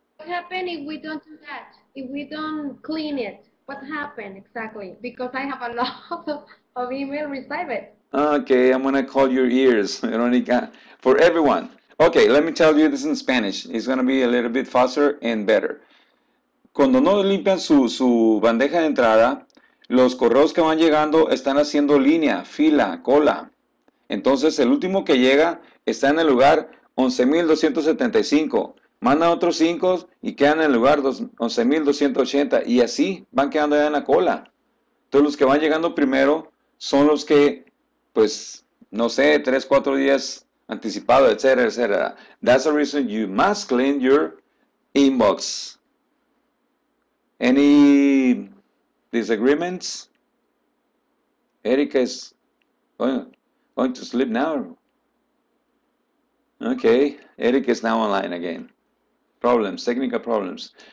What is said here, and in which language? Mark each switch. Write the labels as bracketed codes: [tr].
[en] What happens if we don't do that? If we don't clean it? What happened exactly? Because I have a lot of email received. Okay, I'm going to call your ears, Veronica. For everyone. Okay, let me tell you this in Spanish. It's going to be a little bit faster and better. [es] Cuando no limpian su bandeja de entrada, los correos que van llegando están haciendo línea, fila, cola. Entonces, el último que llega está en el lugar 11,275. Mandan otros 5 y quedan en el lugar 11,280. Y así van quedando ya en la cola. Entonces, los que van llegando primero son los que, pues, no sé, 3, 4 días anticipado, etcétera, etcétera. [en] That's the reason you must clean your inbox. Any disagreements? Erica is going to sleep now. Okay, Erica is now online again. Problems, technical problems.